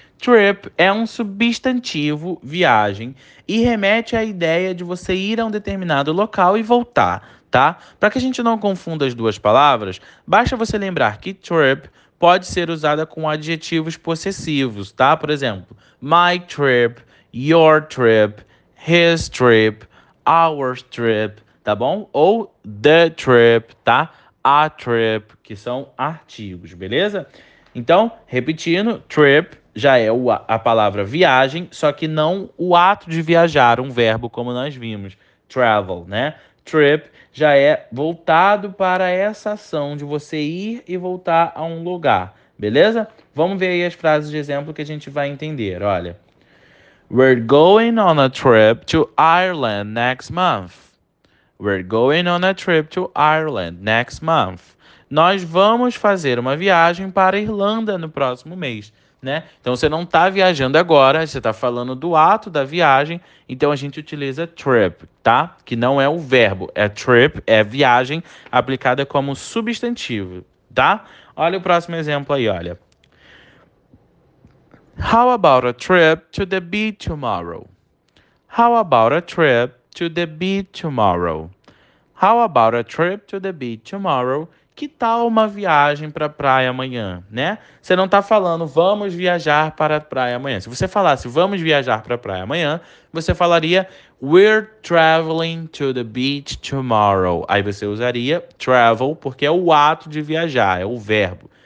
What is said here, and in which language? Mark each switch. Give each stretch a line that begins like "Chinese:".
Portuguese: Trip é um substantivo, viagem, e remete à ideia de você ir a um determinado local e voltar, tá? Para que a gente não confunda as duas palavras, basta você lembrar que trip pode ser usada com adjetivos possessivos, tá? Por exemplo,
English: my trip, your trip, his trip, our trip,
Portuguese: tá bom? Ou the trip, tá? A trip, que são artigos, beleza? Então, repetindo, trip já é a palavra viagem, só que não o ato de viajar, um verbo como nós vimos, travel, né? Trip já é voltado para essa ação de você ir e voltar a um lugar, beleza? Vamos ver aí as frases de exemplo que a gente vai entender. Olha.
English: We're going on a trip to Ireland next month. We're going on a trip to Ireland next month.
Portuguese: Nós vamos fazer uma viagem para a Irlanda no próximo mês. Né? Então você não está viajando agora, você está falando do ato da viagem, então a gente utiliza trip, tá? Que não é o verbo, é trip, é viagem aplicada como substantivo, tá? Olha o próximo exemplo aí, olha.
English: How about a trip to the beach tomorrow? How about a trip to the beach tomorrow? How about a trip to the beach tomorrow?
Portuguese: Que tal uma viagem para a praia amanhã, né? Você não está falando vamos viajar para a praia amanhã. Se você falasse vamos viajar para a praia amanhã, você falaria
English: we're traveling to the beach tomorrow.
Portuguese: Aí você usaria travel porque é o ato de viajar, é o verbo.